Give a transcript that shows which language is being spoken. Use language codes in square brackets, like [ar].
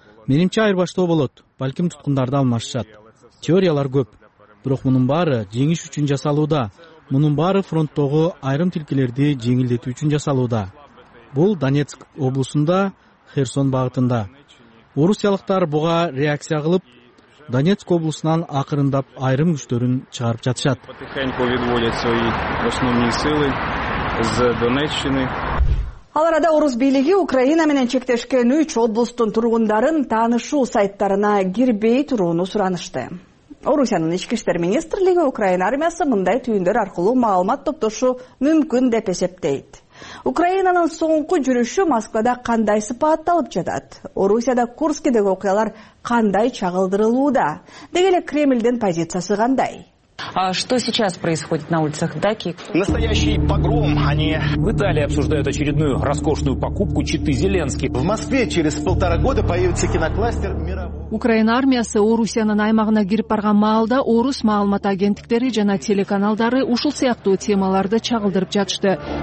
[ky] Менимче айырбаштоо болот, балким туткундарды алмашышат. Теориялар көп, бирок мунун баары жеңиш үчүн жасалууда. Мунун баары фронттогу айрым тилкелерди жеңилдетүү үчүн жасалууда. Бул Донецк облусунда, Херсон багытында. Орусиялыктар буга реакция кылып, Донецк облусунан акырындап айрым күчтөрүн чыгарып жатышат. [ru] Потихоньку відводят свои основные силы из Донеччины. [ky] Ал арада орус бийлиги Украина менен чектешкен 3 облустун тургундарын таанышуу сайттарына кирбей турууну суранышты. Орусиянын ички иштер министрлиги Украина армиясы мындай түйүндөр аркылуу маалымат топтошу мүмкүн деп эсептейт. Украинанын соңку жүрүшү Москвада кандай сыпатталып жатат? Орусияда Курскидеги окуялар кандай чагылдырылууда? Деги эле Кремлдин позициясы кандай? [ru] Что сейчас происходит на улицах Даки? Настоящий погром, а не... В Италии обсуждают очередную роскошную покупку читы Зеленский. В Москве через полтора года появится кинокластер мирового... [ky] Украина армиясы Орусиянын аймагына кирип барган маалда орус маалымат агенттиктери жана телеканалдары ушул сыяктуу темаларды чагылдырып жатышты.